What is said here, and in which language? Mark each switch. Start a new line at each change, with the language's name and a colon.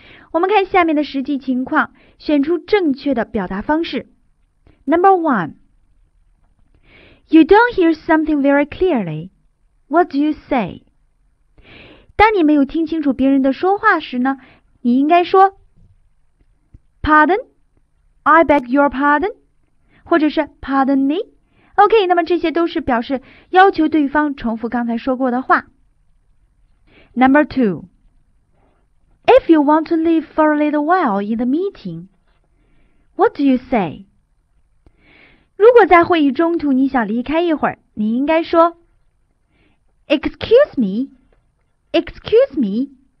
Chinese: 我们看下面的实际情况，选出正确的表达方式。
English: Number one, you don't hear something very clearly. What do you say?
Chinese: 当你没有听清楚别人的说话时呢，你应该说 Pardon?
English: I beg your pardon?
Chinese: 或者是
English: Pardon me?
Chinese: OK, 那么这些都是表示要求对方重复刚才说过的话。
English: Number two, if you want to leave for a little while in the meeting, what do you say?
Chinese: 如果在会议中途你想离开一会儿，你应该说
English: Excuse me, excuse me.